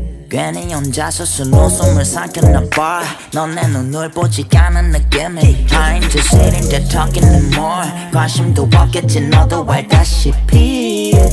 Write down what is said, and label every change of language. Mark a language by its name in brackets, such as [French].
[Korean] 괜히 혼자서 눈웃음을 삼켰나 봐. 넌 내 눈을 보지 않은 느낌이. [English] Time to sit in there talking no more. [Korean] 관심도 없겠지 너도 알다시피.